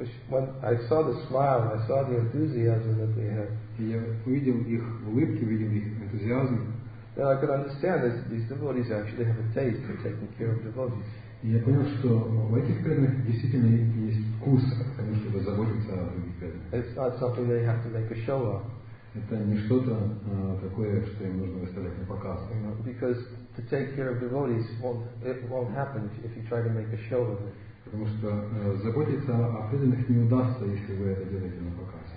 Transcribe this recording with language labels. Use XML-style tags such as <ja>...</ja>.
<en>When I saw the smile, I saw the enthusiasm that they had.</en> <ru>Я увидел их улыбки, увидел их энтузиазм.</ru> <en>Then I could understand that these devotees actually have a taste for taking care of devotees.</en> <ru>Я понял, что в этих преданных действительно есть вкус от того, чтобы заботиться о других преданных.</ru> <en>It's not something they have to make a show of.</en> <ru>Это не что-то такое, что им нужно выставлять на показ.</ru> <en>Because to take care of devotees won't happen if you try to make a show of it.</en> <ru>Потому что заботиться о преданных не удастся, если вы это делаете на показ.</ru>